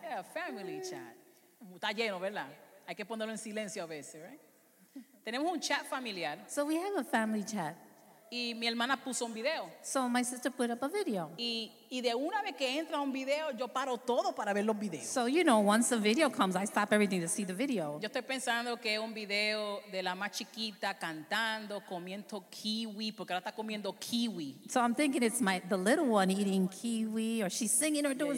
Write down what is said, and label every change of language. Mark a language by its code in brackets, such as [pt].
[es] Yeah, family chat. Está lleno, ¿verdad? Hay que ponerlo en silencio a veces, right? Tenemos un chat familiar. [en] So we have a family chat. [es] Y mi hermana puso un video. [en] So my sister put up a video. [es] Y de una vez que entra un video, yo paro todo para ver los videos. [en] So you know, once the video comes, I stop everything to see the video. [es] Yo estoy pensando que es un video de la más chiquita cantando, comiendo kiwi, porque ahora está comiendo kiwi. [en] So I'm thinking it's my the little one eating kiwi, or she's singing or doing